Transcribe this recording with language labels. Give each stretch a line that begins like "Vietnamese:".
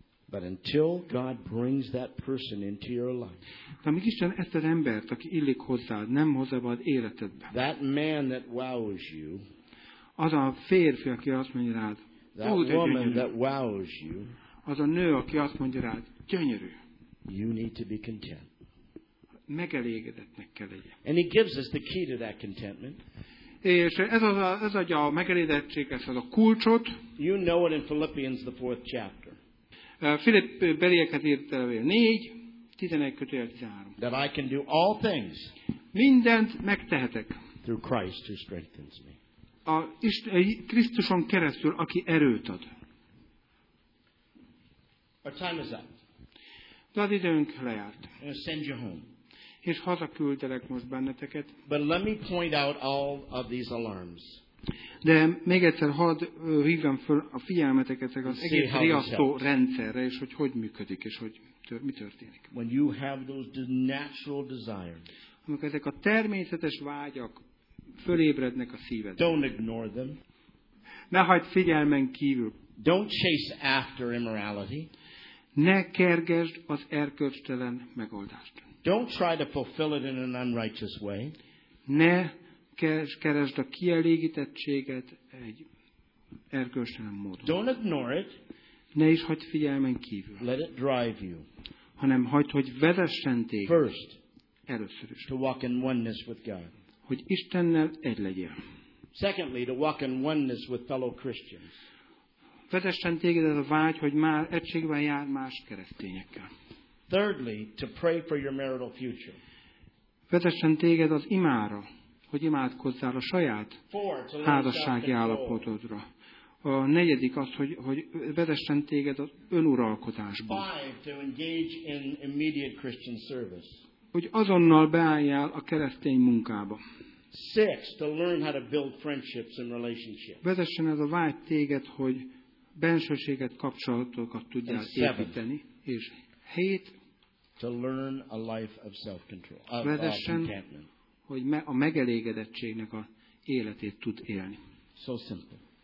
English: But until God brings that person into your life.
Hungarian: De amíg Isten ezt az embert, aki illik hozzád, nem hozzá vagy életedbe.
English: That man that wows you.
Hungarian: Az a férfi, aki azt mondja rád,
English: that woman
Hungarian: gyönyörű.
English: That wows you.
Hungarian: Az a nő, aki azt mondja rád, gyönyörű.
English: You need to be content.
Hungarian: Megelégedettnek kell legyen.
English: And he gives us the key to that contentment.
Hungarian: És ez adja a megelégedettséghez az a kulcsot.
English: You know it in Philippians the fourth chapter.
Hungarian: Filipp beliéket írt a levél 4:11-13.
English: That I can do all things.
Hungarian: Mindent megtehetek.
English: Through Christ who strengthens me.
Hungarian: A Krisztuson keresztül, aki erőt ad.
English: Our time is up.
Hungarian: De az időnk lejárt.
English: I'll send you home.
Hungarian: És hazaküldelek most benneteket.
English: But let me point out all of these alarms.
Hungarian: De még egyszer hadd hívjam föl a figyelmeteket az egész riasztó rendszerre, és hogy hogy működik, és hogy mi történik.
English: When you have those natural desires.
Hungarian: Amikor ezek a természetes vágyak fölébrednek a szívedben.
English: Don't ignore them.
Hungarian: Ne hagyd figyelmen kívül.
English: Don't chase after immorality.
Hungarian: Ne kergesd az erkölcstelen megoldást.
English: Don't try to fulfill it in an unrighteous way.
Hungarian: Ne keresd a kielégítettséget egy erkölcstelen módon.
English: Don't ignore it.
Hungarian: Ne is hagyd figyelmen kívül.
English: Let it drive you.
Hungarian: Hanem hagyd, hogy vezessen téged.
English: First.
Hungarian: Először is.
English: To walk in oneness with God.
Hungarian: Hogy Istennel egy legyél.
English: Secondly, to walk in oneness with fellow Christians.
Hungarian: Vezessen téged ez a vágy, hogy már egységben jár más keresztényekkel.
English: Thirdly, to pray for your marital future.
Hungarian: Vezessen téged az imára, hogy imádkozzál a saját házassági állapotodra. A negyedik az, hogy vezessen téged az önuralkodásba.
English: Five, to engage in immediate Christian service.
Hungarian: Hogy azonnal beálljál a keresztény munkába.
English: Six, to learn how to build friendships and relationships.
Hungarian: Vezessen ez a vágy téged, hogy bensőséget, kapcsolatokat tudjál építeni. És hét,
English: to learn a life of self-control.
Hungarian: Vezessen,
English: of contentment.
Hungarian: Hogy a megelégedettségnek a életét tud élni.
English: So simple.